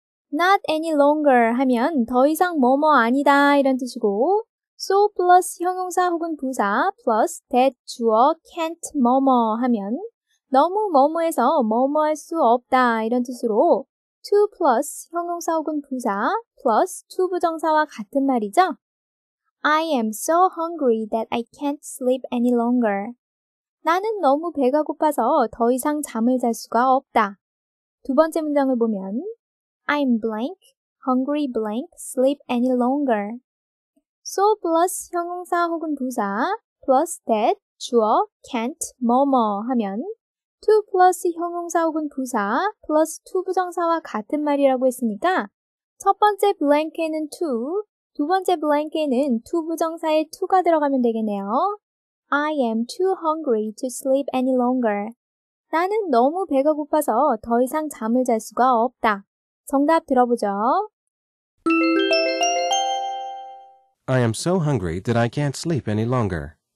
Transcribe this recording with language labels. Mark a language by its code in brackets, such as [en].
[ko] Not any longer 하면 더 이상 뭐뭐 아니다 이런 뜻이고 so plus 형용사 혹은 부사 plus that 주어 can't 뭐뭐 하면 너무 뭐뭐해서 뭐뭐 할 수 없다 이런 뜻으로 to plus 형용사 혹은 부사 plus to 부정사와 같은 말이죠. [en] I am so hungry that I can't sleep any longer. [ko] 나는 너무 배가 고파서 더 이상 잠을 잘 수가 없다. 두 번째 문장을 보면 [en] I'm blank, hungry blank, sleep any longer. [ko] So plus 형용사 혹은 부사 plus that 주어 can't 뭐뭐 하면 to plus 형용사 혹은 부사 plus to 부정사와 같은 말이라고 했으니까 첫 번째 blank에는 to, 두 번째 blank에는 to 부정사에 to가 들어가면 되겠네요. [en] I am too hungry to sleep any longer. [ko] 나는 너무 배가 고파서 더 이상 잠을 잘 수가 없다. 정답 들어보죠. [en] I am so hungry that I can't sleep any longer.